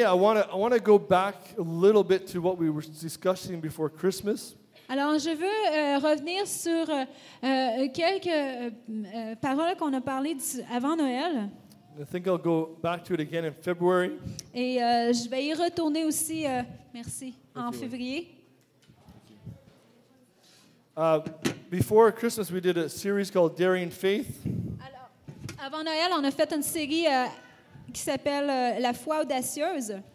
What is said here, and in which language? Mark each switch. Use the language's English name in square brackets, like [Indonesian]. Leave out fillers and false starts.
[English] Yeah, I want to go back a little bit to what we were discussing before Christmas. [French] Alors, je veux revenir sur quelques paroles qu'on a parlé avant Noël. [English] I think I'll go back to it again in February. [French] Et je vais y retourner aussi, merci, February. En février. [English] Before Christmas, we did a series called Daring Faith. [French] Alors, avant Noël, on a fait une série qui s'appelle La foi audacieuse.